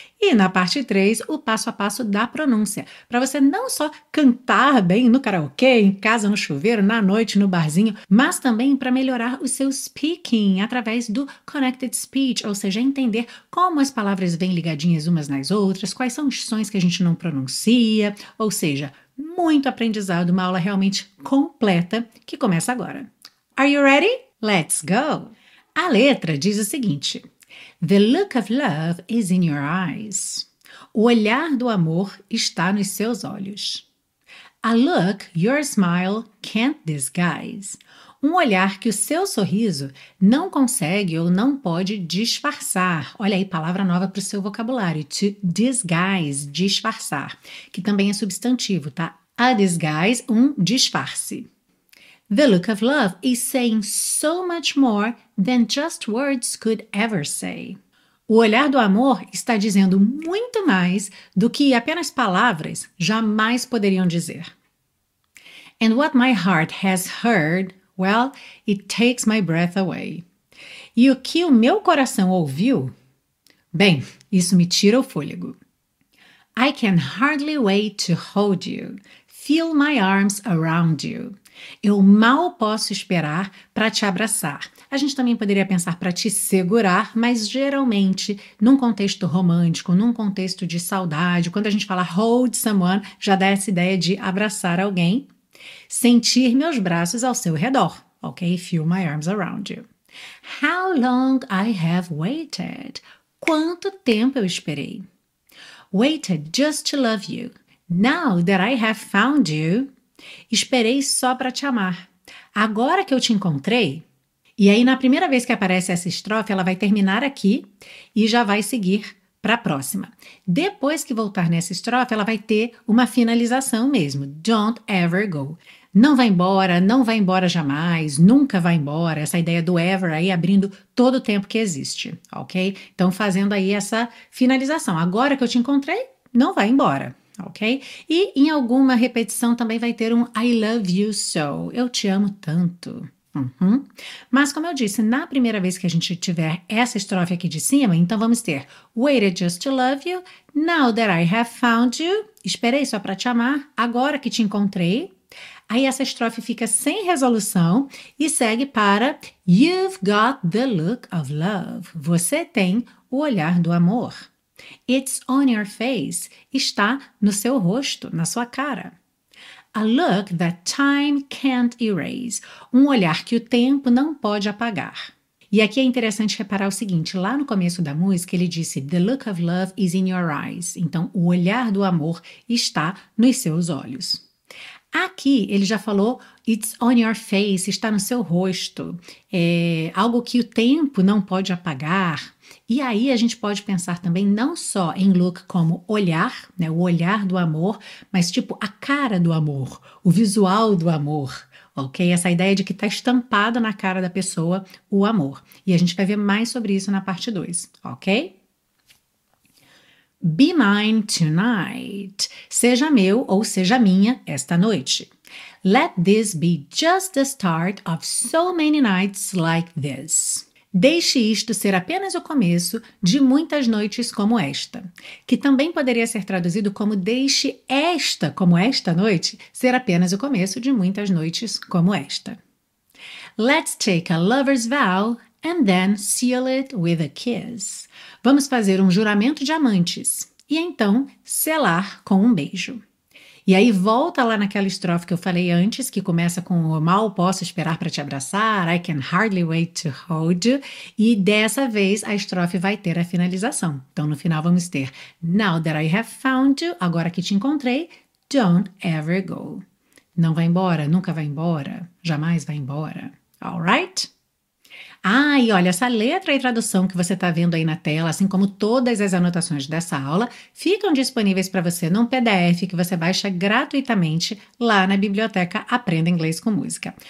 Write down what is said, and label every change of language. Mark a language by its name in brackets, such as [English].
[Portuguese] E na parte 3, o passo a passo da pronúncia, para você não só cantar bem no karaokê, em casa, no chuveiro, na noite, no barzinho, mas também para melhorar o seu speaking através do connected speech, ou seja, entender como as palavras vêm ligadinhas umas nas outras, quais são os sons que a gente não pronuncia, ou seja, muito aprendizado, uma aula realmente completa que começa agora. [English] Are you ready? Let's go! [Portuguese] A letra diz o seguinte: [English] The look of love is in your eyes. [Portuguese] O olhar do amor está nos seus olhos. [English] A look your smile can't disguise. [Portuguese] Um olhar que o seu sorriso não consegue ou não pode disfarçar. Olha aí, palavra nova para o seu vocabulário. To disguise, disfarçar. Que também é substantivo, tá? A disguise, um disfarce. [English] The look of love is saying so much more than just words could ever say. [Portuguese] O olhar do amor está dizendo muito mais do que apenas palavras jamais poderiam dizer. [English] And what my heart has heard, well, it takes my breath away. [Portuguese] E o que o meu coração ouviu? Bem, isso me tira o fôlego. [English] I can hardly wait to hold you. Feel my arms around you. [Portuguese] Eu mal posso esperar para te abraçar. A gente também poderia pensar para te segurar, mas geralmente, num contexto romântico, num contexto de saudade, quando a gente fala hold someone, já dá essa ideia de abraçar alguém. Sentir meus braços ao seu redor, ok? [English] Feel my arms around you. How long I have waited. [Portuguese] Quanto tempo eu esperei? [English] Waited just to love you. Now that I have found you. [Portuguese] Esperei só para te amar. Agora que eu te encontrei. E aí, na primeira vez que aparece essa estrofe, ela vai terminar aqui e já vai seguir para a próxima. Depois que voltar nessa estrofe, ela vai ter uma finalização mesmo. [English] Don't ever go. [Portuguese] Não vá embora, não vá embora jamais, nunca vá embora. Essa ideia do ever aí abrindo todo o tempo que existe, ok? Então, fazendo aí essa finalização. Agora que eu te encontrei, não vá embora, ok? E em alguma repetição também vai ter um [English] I love you so. [Portuguese] Eu te amo tanto. Uhum. Mas como eu disse, na primeira vez que a gente tiver essa estrofe aqui de cima, então vamos ter [English] waited just to love you, now that I have found you, [Portuguese] esperei só para te amar, agora que te encontrei, Aí essa estrofe fica sem resolução e segue para [English] You've got the look of love. [Portuguese] Você tem o olhar do amor. [English] It's on your face. [Portuguese] Está no seu rosto, na sua cara. [English] A look that time can't erase. [Portuguese] Um olhar que o tempo não pode apagar. E aqui é interessante reparar o seguinte, lá no começo da música ele disse [English] The look of love is in your eyes. [Portuguese] Então, o olhar do amor está nos seus olhos. Aqui ele já falou [English] It's on your face, [Portuguese] está no seu rosto. É algo que o tempo não pode apagar. E aí a gente pode pensar também não só em look como olhar, né, o olhar do amor, mas tipo a cara do amor, o visual do amor. Ok? Essa ideia de que está estampada na cara da pessoa o amor. E a gente vai ver mais sobre isso na parte 2, ok? [English] Be mine tonight. [Portuguese] Seja meu ou seja minha esta noite. [English] Let this be just the start of so many nights like this. [Portuguese] Deixe isto ser apenas o começo de muitas noites como esta, que também poderia ser traduzido como deixe esta, como esta noite, ser apenas o começo de muitas noites como esta. [English] Let's take a lover's vow and then seal it with a kiss. [Portuguese] Vamos fazer um juramento de amantes e então selar com um beijo. E aí volta lá naquela estrofe que eu falei antes, que começa com o mal posso esperar para te abraçar, [English] I can hardly wait to hold you, [Portuguese] e dessa vez a estrofe vai ter a finalização. Então no final vamos ter, [English] now that I have found you, [Portuguese] agora que te encontrei, [English] don't ever go. [Portuguese] Não vai embora, nunca vai embora, jamais vai embora, alright? Ah, e olha, essa letra e tradução que você está vendo aí na tela, assim como todas as anotações dessa aula, ficam disponíveis para você num PDF que você baixa gratuitamente lá na biblioteca Aprenda Inglês com Música.